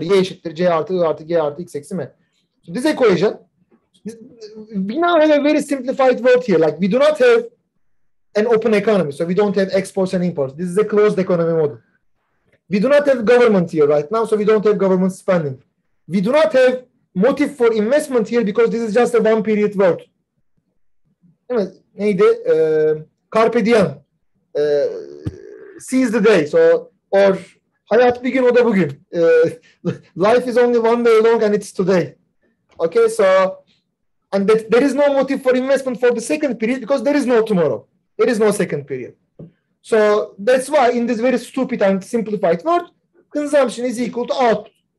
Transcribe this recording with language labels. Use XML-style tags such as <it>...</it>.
<tr>Y eşittir C artı I artı G artı X eksi M.</tr> <en>So this equation, we now have a very simplified word here. Like, we do not have an open economy. So we don't have exports and imports. This is a closed economy model. We do not have government here right now. So we don't have government spending. We do not have motive for investment here because this is just a one period word.</en> <tr>Neydi?</tr> <en>Carpe diem. Seize the day. So, or</en> <tr>hayat bir gün, o da bugün.</tr> <en>Life is only one day long and it's today. Okay, so, and that there is no motive for investment for the second period because there is no tomorrow. There is no second period. So that's why in this very stupid and simplified word, consumption is equal to output.</en>